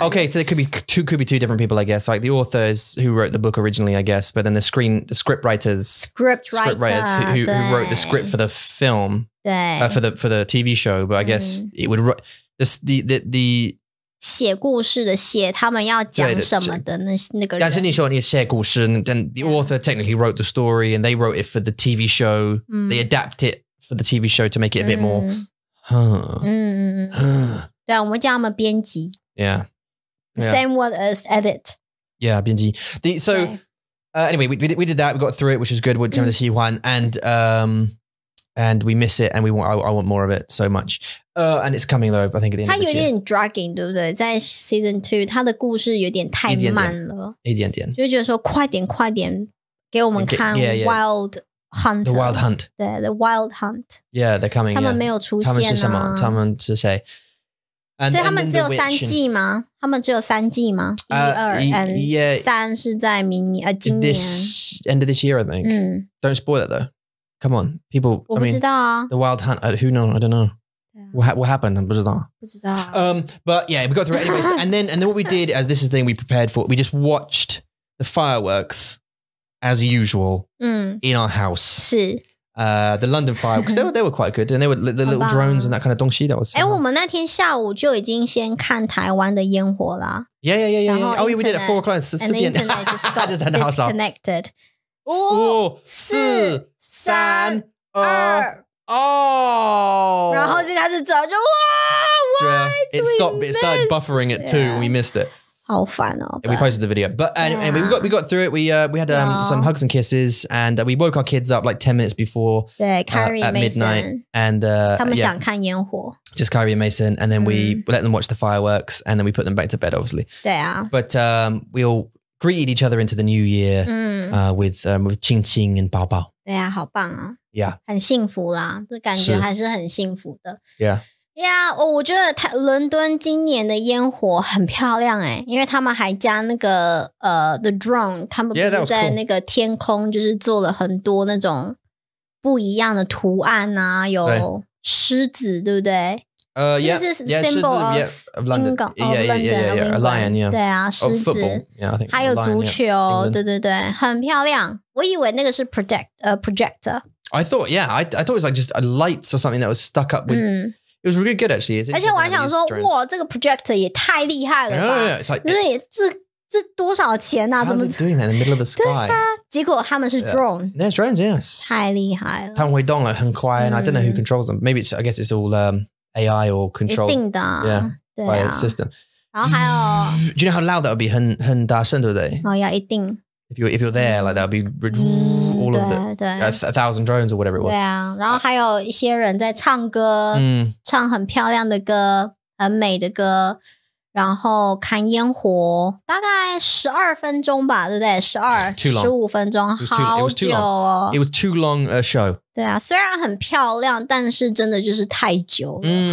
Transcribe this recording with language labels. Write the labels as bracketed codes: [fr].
[en] well, Okay, so it could be two different people, I guess. Like the authors who wrote the book originally, I guess. But then the script writers who wrote the script for the film, [zh] 对、 [en] for the TV show. But I guess、嗯、it would the [zh] 写故事的写他们要讲什么的那个人。但是你说你写故事 [en] then the author technically wrote the story and they wrote it for the TV show.、嗯、 they adapt it for the TV show to make it a bit more.、 [zh] 嗯嗯嗯嗯，对啊，我们叫他们编辑。 [en] Yeah. Same word as edit. [zh] Yeah, 编辑。 [en] So, anyway, we did that. We got through it, which was good. [zh] 我真的喜欢 [en] and we miss it, and I want more of it so much. And it's coming though. I think at the end. [zh] 它有点 dragging， 对不对？在 season two， 它的故事有点太慢了，一点点，就觉得说快点给我们看 wild。Hunter, [en] the Wild Hunt. The Wild Hunt. Yeah, they're coming. [zh] 他们没有出现啊。他们是什么？他们是谁？所以他们只有三季吗？他们只有三季吗？一二 [en] and [zh] 三是在明年今年 [en] this, end of this year, I think.、嗯、 don't spoil it though. Come on, people. [zh] 我不知道啊。 [en] I mean, the Wild Hunt. Who knows? I don't know. What happened? [zh] 不知道。不知道。 [en] But yeah, we got through it anyways. and then what we did as this is the thing we prepared for, we just watched the fireworks. As usual,、嗯、 in our house. [zh] 是、 [en] the London fire, because they were quite good. And they were the little drones and that kind of 东西 that was. [zh] 哎，我们那天下午就已经先看台湾的烟火啦。 [en] Yeah. Oh, yeah, we did it at 4 o'clock. And the internet just got disconnected. [zh] 五、四、三、二、哦。然后就开始转，就哇 ！ [en] Why? It stopped. It started buffering at two. We missed it. [zh] 好烦哦。 [en] And we posted the video. But anyway, yeah. we got through it. We had some hugs and kisses and we woke our kids up like 10 minutes before at midnight. And [zh] 他们想看烟火。 [en] Just Kyrie and Mason. And then we let them watch the fireworks and then we put them back to bed, obviously. [zh] 对啊。 [en] But we all greeted each other into the new year with Qing Qing and Bao Bao. [zh] 对啊，好棒啊。 [en] Yeah. [zh] 很幸福啦，这感觉还是很幸福的。 [en] Yeah. [zh] Yeah, 我觉得台伦敦今年的烟火很漂亮诶，因为他们还加那个the drone, 他们不是在那个天空就是做了很多那种不一样的图案啊，有狮子，对不对？ [en] This is symbol of London. Yeah, a lion. [zh] 对啊，狮子。还有足球，对对对，很漂亮。我以为那个是projector. [en] I thought it was like just a lights or something that was stuck up with... It was really good, actually. [zh] 而且我还想说，哇，这个 projector 也太厉害了吧！对，这多少钱啊？怎么 [en] doing that in the middle of the sky? [zh] 结果他们是 drone. [en] Yeah, drones, yes. [zh] 太厉害了。他们会动了，很快。 [en] And I don't know who controls them. Maybe I guess it's all AI or control. [zh] 一定的。 [en] Yeah, by its system. [zh] 然后还有 [en] ，Do you know how loud that would be? [zh] 很大声，对不对？哦，要一定。 [en] If you're there, like that would be all of the a thousand drones or whatever it was. [zh] Yeah, 然后还有一些人在唱歌，唱很漂亮的歌，很美的歌，然后看烟火，大概12分钟吧，对不对？ 15分钟，好久哦。 [en] It was too long a show. [zh] 对啊，虽然很漂亮，但是真的就是太久了。